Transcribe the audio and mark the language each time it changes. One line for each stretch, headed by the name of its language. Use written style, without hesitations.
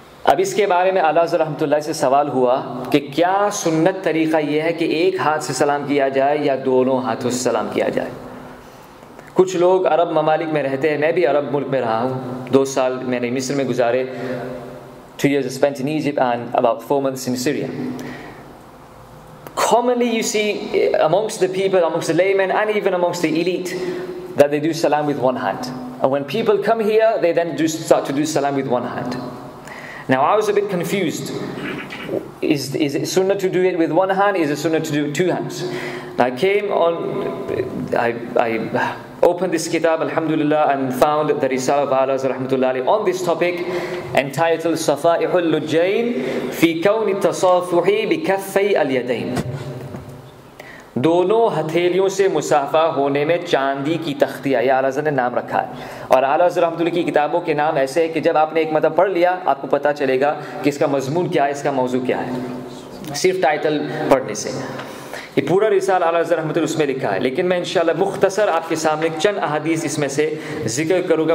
Urdu: اب اس کے بارے میں اعلیٰ رحمۃ اللہ سے سوال ہوا کہ کیا سنت طریقہ یہ ہے کہ ایک ہاتھ سے سلام کیا جائے یا دونوں ہاتھوں سے سلام کیا جائے. کچھ لوگ عرب ممالک میں رہتے ہیں, میں بھی عرب ملک میں رہا ہوں, دو سال میں نے مصر میں گزارے,
English: 2 years I spent in Egypt and about 4 months in Syria. Commonly you see amongst the people, amongst the laymen and even amongst the elite that they do salam with one hand. And when people come here, they then start to do salam with one hand. Now I was a bit confused. Is it sunnah to do it with one hand? Is it sunnah to do it two hands? I came on, I opened this kitab, alhamdulillah, and found the Risala of Allah rahmatullahi alayhi on this topic entitled Safa'ihul Lujjain fi kawni tasafuhi bi kaffay al-yadain.
Urdu: دونوں ہتھیلیوں سے مصافحہ ہونے میں چاندی کی تختیہ, یہ اعلیٰ نے نام رکھا ہے. اور اعلیٰ رحمۃ اللہ کی کتابوں کے نام ایسے ہیں کہ جب آپ نے ایک مطلب پڑھ لیا آپ کو پتہ چلے گا کہ اس کا مضمون کیا ہے, اس کا موضوع کیا ہے صرف ٹائٹل پڑھنے سے. یہ پورا رسال اعلیٰ رحمۃ اللہ اس میں لکھا ہے, لیکن میں انشاءاللہ مختصر آپ کے سامنے چند احادیث اس میں سے ذکر کروں گا.